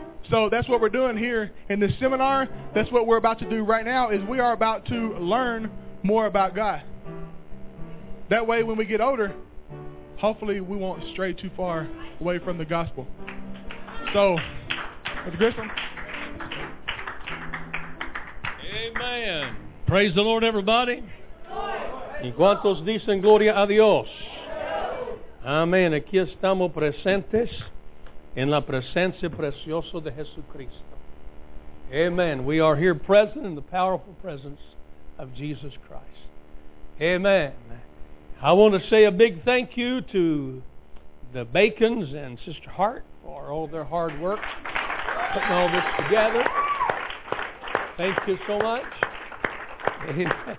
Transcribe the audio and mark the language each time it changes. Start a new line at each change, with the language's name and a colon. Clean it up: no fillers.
English: So that's what we're doing here in this seminar. That's what we're about to do right now, is we are about to learn more about God. That way, when we get older, hopefully we won't stray too far away from the gospel. So, Mr. Grissom. Amen. Praise the Lord, everybody.
Spanish: ¿Y cuántos dicen gloria a Dios? Amén. Aquí estamos presentes en la presencia preciosa de Jesucristo.
English: Amen. We are here present in the powerful presence of Jesus Christ. Amen. I want to say a big thank you to the Bacons and Sister Hart for all their hard work putting all this together. Thank you so much. Amen.